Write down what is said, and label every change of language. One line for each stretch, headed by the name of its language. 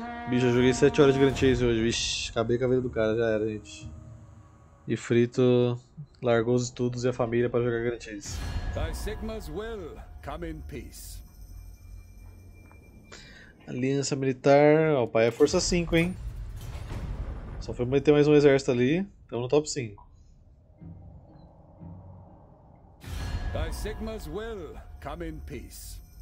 Portuguese: Bicho, eu joguei 7 horas de Grand Chase hoje, vixi, acabei com a vida do cara, já era, gente. E Frito largou os estudos e a família para jogar Grand Chase.
English: Thy Sigmas will come in peace.
Portuguese: Aliança militar, ó, o pai é força 5, hein. Só foi meter mais um exército ali, estamos no top 5.
English: Thy Sigmas will come in peace.